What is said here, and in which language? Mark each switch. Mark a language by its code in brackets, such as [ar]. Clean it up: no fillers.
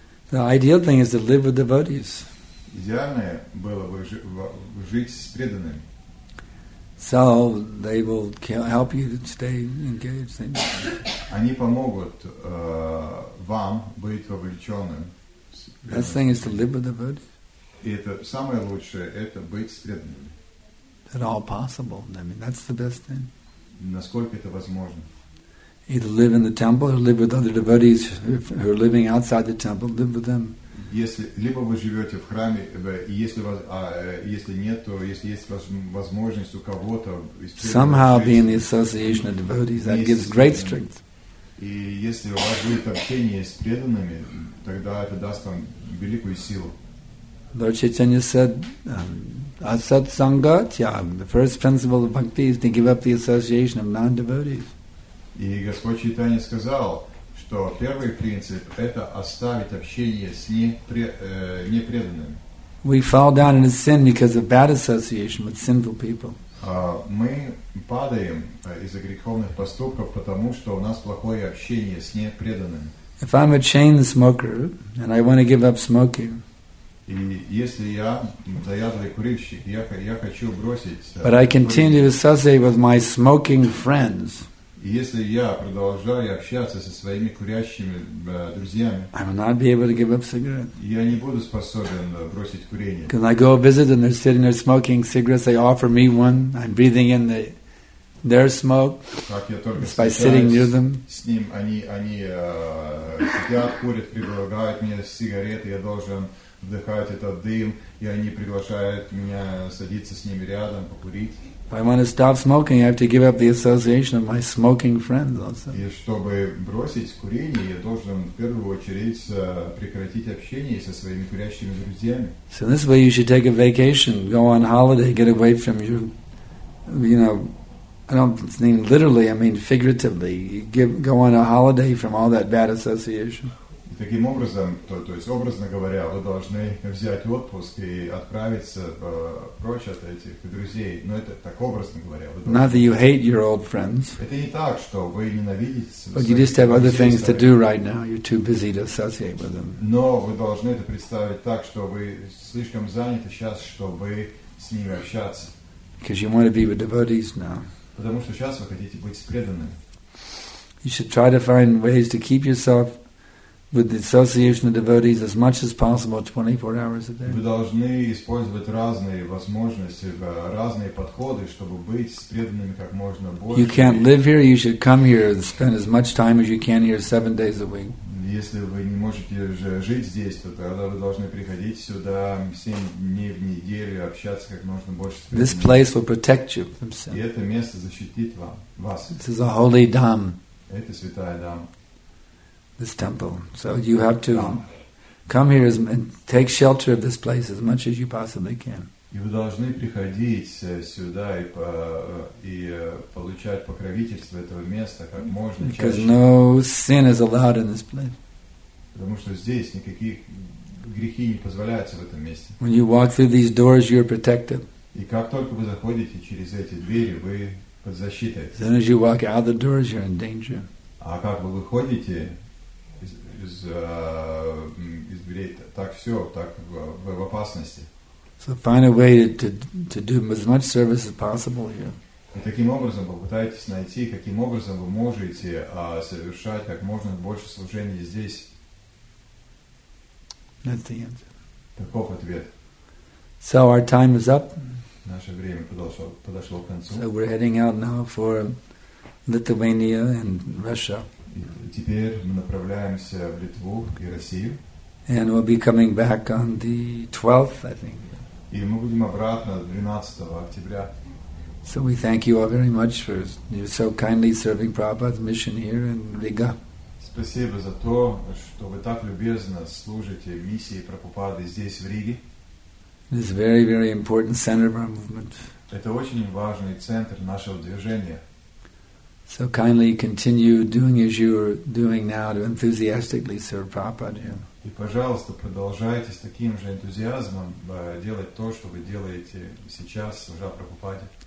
[en] The ideal thing is to live with devotees. [ru] Идеальное было бы жить с преданными. [en] So they will help you to stay engaged. [ru] Они помогут вам быть вовлеченным. [en] Best thing is to live with the Buddha. [ru] И это самое лучшее – это быть с преданными. [en] At all possible. I mean, that's the best thing. [ru] Насколько это возможно? [en] Either live in the temple or live with other devotees who are living outside the temple. Live with them. [ru] Либо вы живете в храме, если нет, то если есть возможность у кого-то... [en] Somehow be in the association of devotees, that gives great strength. [ru] И если у вас будет общение с преданными, тогда это даст вам великую силу. [en] Lord Chaitanya said, asat sangatya, the first principle of bhakti is to give up the association of non-devotees. [ru] И Господь Чайтанья сказал, что первый принцип – это оставить общение с непреданными. [en] We fall down into sin because of bad association with sinful people. [ru] Мы падаем из-за греховных поступков, потому что у нас плохое общение с непреданными. [en] If I'm a chain smoker and I want to give up smoking, [ru] и если я заядлый курильщик, я хочу бросить... [en] But I continue to associate with my smoking friends. [ru] И если я продолжаю общаться со своими курящими друзьями, [en] I will not be able to give up cigarettes. [ru] Я не буду способен бросить курение. [en] Can I go visit and they're sitting there smoking cigarettes? They offer me one. I'm breathing in their smoke. [ru] Как я только [en] by sitting near them. [ru] С ним они сидят, курят, предлагают мне сигареты. Я должен вдыхать этот дым, и они приглашают меня садиться с ними рядом покурить. [en] If I want to stop smoking, I have to give up the association of my smoking friends also. [ru] И чтобы бросить курение, я должен в первую очередь прекратить общение со своими курящими друзьями. [en] So this way you should take a vacation, go on holiday, get away from I don't mean literally, I mean figuratively. Go on a holiday from all that bad association. [ru] И таким образом, то есть образно говоря, вы должны взять отпуск и отправиться прочь от этих друзей. Но это так образно говоря. [en] Not that you hate your old friends. [ru] Это не так, что вы ненавидите. [en] But you just have other things to do right now. You're too busy to associate with them. [ru] Но вы должны это представить так, что вы слишком заняты сейчас, чтобы с ними общаться. [en] Because you want to be with devotees now. [ru] Потому что сейчас вы хотите быть с преданными. [en] You should try to find ways to keep yourself with the association of devotees as much as possible 24 hours a day. [ru] Вы должны использовать разные возможности, разные подходы, чтобы быть с преданными как можно больше. [en] You can't live here, you should come here and spend as much time as you can here 7 days a week. [ru] Если вы не можете жить здесь, то тогда вы должны приходить сюда 7 дней в неделю, общаться как можно больше с преданными. [en] This place will protect you from sin. [ru] И это место защитит вас. [en] This is a holy dham. [ru] Это святая дама. [en] This temple. So you have to Come here and take shelter of this place as much as you possibly can. [ru] И вы должны приходить сюда и получать покровительство этого места как можно чаще. [en] Because no sin is allowed in this place. [ru] Потому что здесь никаких грехи не позволяются в этом месте. [en] When you walk through these doors, you're protected. [ru] И как только вы заходите через эти двери, вы под защитой. [en] Then as you walk out the doors, you're in danger. [ru] А как вы выходите из дверей, так все, так вы в опасности. [en] So find a way to do as much service as possible here. [ru] И таким образом вы пытаетесь найти, каким образом вы можете совершать как можно больше служения здесь. [en] That's the answer. [ru] Таков ответ. [en] So our time is up. [ru] Наше время подошло к концу. [en] So we're heading out now for Lithuania and Russia. [ru] Теперь мы направляемся в Литву и Россию. [en] And we'll be coming back on the 12th, I think. [ru] И мы будем обратно 12 октября. [en] So we thank you all very much for you so kindly serving Prabhupada's mission here in Riga. [ru] Спасибо за то, что вы так любезно служите миссии Прабхупады здесь, в Риге. [en] It is a very, very important center of our movement. [ru] Это очень важный центр нашего движения. [en] So kindly continue doing as you are doing now to enthusiastically serve Prabhupada here. [ru] И, пожалуйста, продолжайте с таким же энтузиазмом делать то, что вы делаете сейчас, служа Прабхупаде.